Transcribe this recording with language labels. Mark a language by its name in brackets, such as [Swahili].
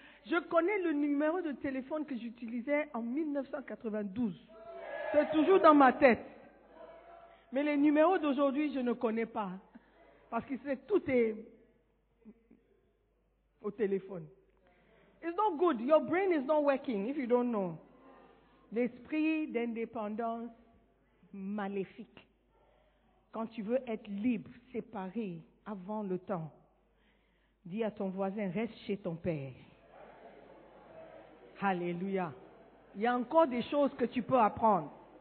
[French] Je connais le numéro de téléphone que j'utilisais en 1992. C'est toujours dans ma tête. Mais les numéros d'aujourd'hui, je ne connais pas. Parce que c'est tout est au téléphone. [English] It's not good. Your brain is not working if you don't know. [French] L'esprit d'indépendance maléfique. Quand tu veux être libre, séparé, avant le temps. Dis à ton voisin, reste chez ton père. Alléluia. Il y a encore des choses que tu peux apprendre.